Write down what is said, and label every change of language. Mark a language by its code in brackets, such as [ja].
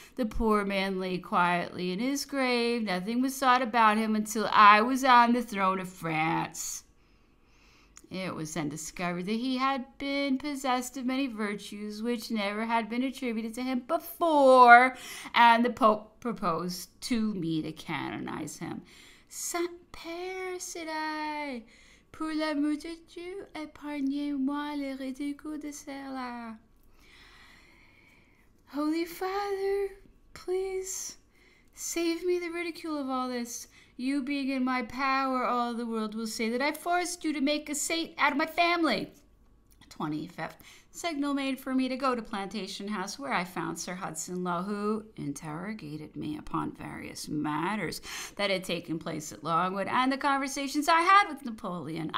[en] The poor man lay quietly in his grave. Nothing was thought about him until I was on the throne of France. It was then discovered that he had been possessed of many virtues which never had been attributed to him before, and the Pope proposed to me to canonize him. [fr] Saint-Père, [en] said I, [fr] pour l'amour de Dieu, épargnez-moi les ridicules de cela. [en] Holy Father, please save me the ridicule of all this. You being in my power, all the world will say that I forced you to make a saint out of my family. 25th signal made for me to go to Plantation House, where I found Sir Hudson Lowe, who interrogated me upon various matters that had taken place at Longwood and the conversations I had with Napoleon.